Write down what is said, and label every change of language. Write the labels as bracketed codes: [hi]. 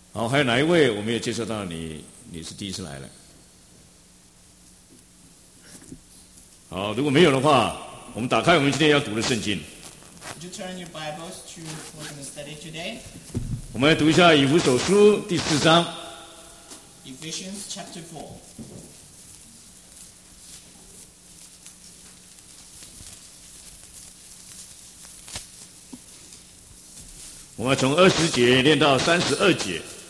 [zh] 好，还有哪一位我没有介绍到你？你是第一次来了。好，如果没有的话，我们打开我们今天要读的圣经。 [en] Would you turn your Bibles to what we're going to study today? [zh] 我们来读一下以弗所书第四章。 [en] Ephesians chapter 4. [zh] 我们从二十节念到三十二节。